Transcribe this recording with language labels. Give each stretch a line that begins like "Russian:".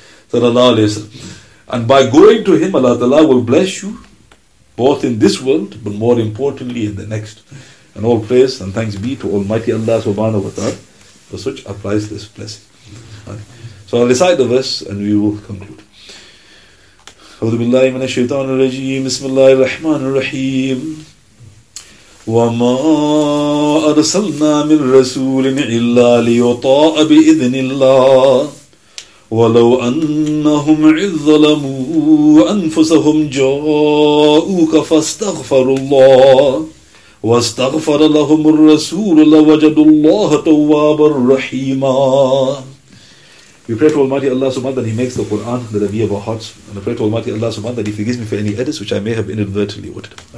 English: Sallallahu alayhi wa sallam. And by going to him, Allah Ta'ala will bless you, both in this world, but more importantly in the next. And all praise and thanks be to Almighty Allah subhanahu wa ta'ala for such a priceless blessing. So I'll recite the verse and we will conclude.
Arabic: أعوذ بالله من الشيطان الرجيم بسم الله الرحمن الرحيم وما أرسلنا من رسول إلا ليطاع بإذن الله ولو أنهم إذ ظلموا أنفسهم جاءوك فاستغفروا الله واستغفر لهم الرسول لوجدوا الله توابا رحيما.
English: We pray to Almighty Allah subhanahu that He makes the Quran the Rabi of our hearts. And I pray to Almighty Allah subhanahu that He forgives me for any edits which I may have inadvertently uttered.